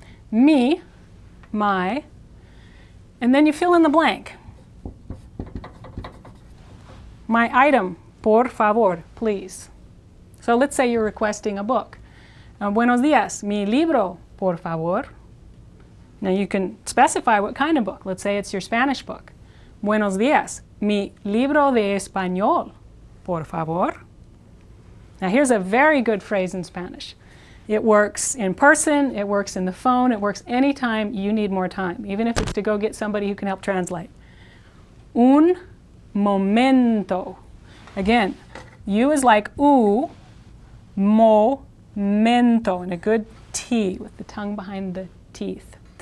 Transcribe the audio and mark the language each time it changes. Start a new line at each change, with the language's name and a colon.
English: Me, my, and then you fill in the blank. My item,
Spanish: por favor,
English: please. So let's say you're requesting a book.
Spanish: Buenos dias, mi libro, por favor.
English: Now you can specify what kind of book. Let's say it's your Spanish book.
Spanish: Buenos dias, mi libro de español, por favor.
English: Now here's a very good phrase in Spanish. It works in person, it works in the phone, it works anytime you need more time, even if it's to go get somebody who can help translate.
Spanish: Un momento.
English: Again, U is like u, mo, mento, and a good T with the tongue behind the teeth.